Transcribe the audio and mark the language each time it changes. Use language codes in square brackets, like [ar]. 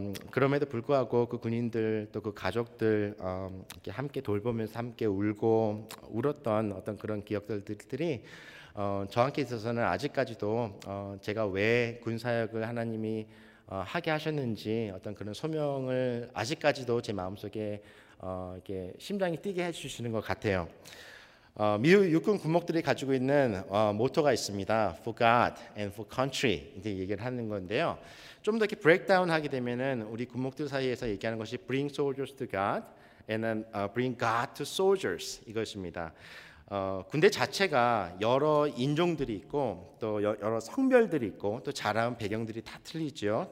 [ko] 그럼에도 불구하고 그 군인들 또 그 가족들 이렇게 함께 돌보면서 함께 울고 울었던 어떤 그런 기억들들이 저한테 있어서는 아직까지도 제가 왜 군사역을 하나님이 하게 하셨는지 어떤 그런 소명을 아직까지도 제 마음속에 이렇게 심장이 뛰게 해주시는 것 같아요. 미국 육군 군목들이 가지고 있는 모토가 있습니다. [en] For God and for country [ko] 이제 얘기를 하는 건데요. 좀 더 이렇게 브레이크다운 하게 되면은 우리 군목들 사이에서 얘기하는 것이 [en] bring soldiers to God and then bring God to soldiers [ko] 이것입니다. 군대 자체가 여러 인종들이 있고 또 여러 성별들이 있고 또 자라온 배경들이 다 틀리죠.